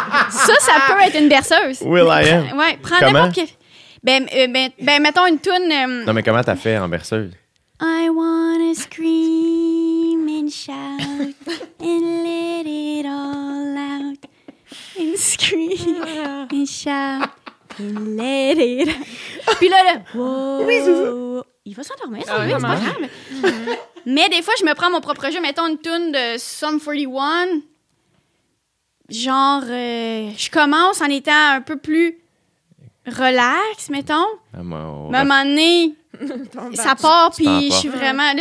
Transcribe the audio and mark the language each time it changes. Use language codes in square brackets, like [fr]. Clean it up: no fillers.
[fr] Ça peut être une berceuse. Will I Am. Ouais, prends n'importe quelle. Ben, mettons une toune... Non, mais comment t'as fait en berceuse? [en] I wanna scream and shout and let it all out. And scream and shout and let it out. [fr] Puis là, oui, c'est ça. Il va s'endormir, ça, c'est pas grave. Mais des fois, je me prends mon propre jeu. Mettons une toune de Sum 41. Genre, je commence en étant un peu plus... relax, mettons. Mais à un moment donné, ça part, puis je suis vraiment...